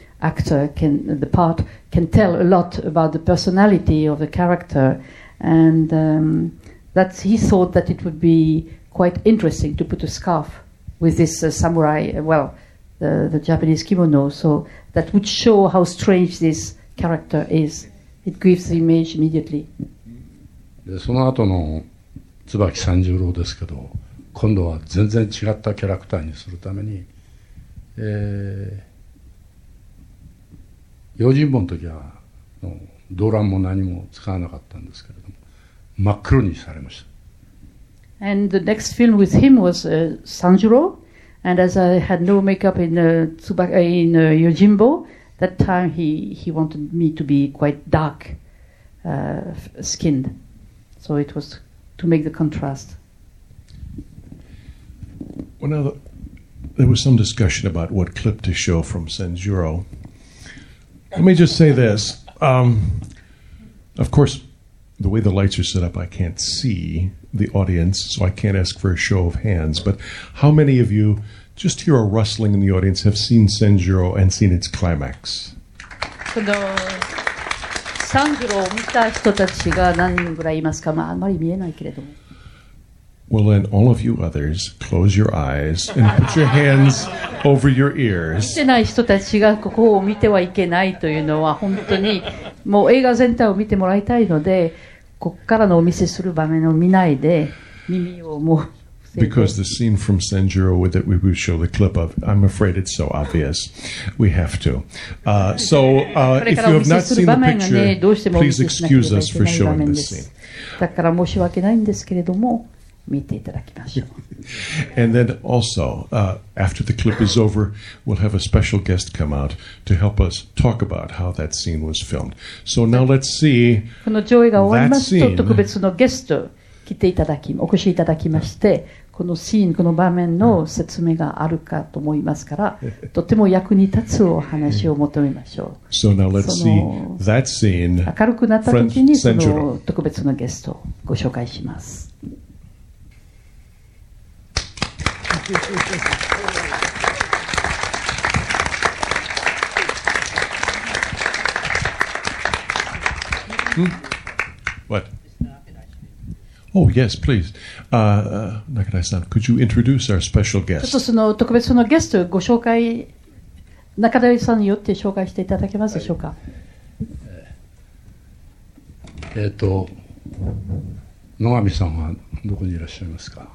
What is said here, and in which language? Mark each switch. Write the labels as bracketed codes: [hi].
[en] actor, can, the part, can tell a lot about the personality of the character, and that's, he thought that it would be quite interesting to put a scarf with this samurai, well, the Japanese kimono, so that would show how strange this character is. It gives the image immediately. [ja] でその後の椿三十郎ですけど、今度は全然違ったキャラクターにするために、用心棒の時は動乱も何も使わなかったんですけれども、真っ黒にされました。 [en] And the next film with him was Sanjuro, and as I had no makeup in Yojimbo. That time he wanted me to be quite dark skinned. So it was to make the contrast. Well, now there was some discussion about what clip to show from Sanjuro. Let me just say this. Of course, the way the lights are set up, I can't see the audience, so I can't ask for a show of hands. But how many of you... Just hear a rustling in the audience. Have seen Sanjuro and seen its climax. [ja] このサンジロを見た人たちが何人ぐらいいますか。まああまり見えないけれども。 [en] Well, then all of you others, close your eyes and put your hands over your ears. [ja] 見てない人たちがここを見てはいけないというのは本当にもう映画全体を見てもらいたいので、ここからのお見せする場面を見ないで耳をもう。 [en] Because the scene from Sanjuro that we will show the clip of, I'm afraid it's so obvious. We have to. So if you have not seen the picture, please excuse us for showing this scene. [ja] だから申し訳ないんですけれども、見ていただきましょう。 [en] And then also, after the clip is over, we'll have a special guest come out to help us talk about how that scene was filmed. So now let's see that scene. [ja] この上映が終わりますと、特別のゲスト。来ていただきお越しいただきまして、このシーン、この場面の説明があるかと思いますから、とても役に立つお話を求めましょう。 [en] So now let's see that scene. [ja] 明るくなった時にその特別なゲストをご紹介します。 [en] What? Oh, yes, please. Nakadai-san, could you introduce our special guest? [ja] ちょっとその特別のゲストをご紹介、中田さんによって紹介していただけますでしょうか。はい、野上さんはどこにいらっしゃいますか。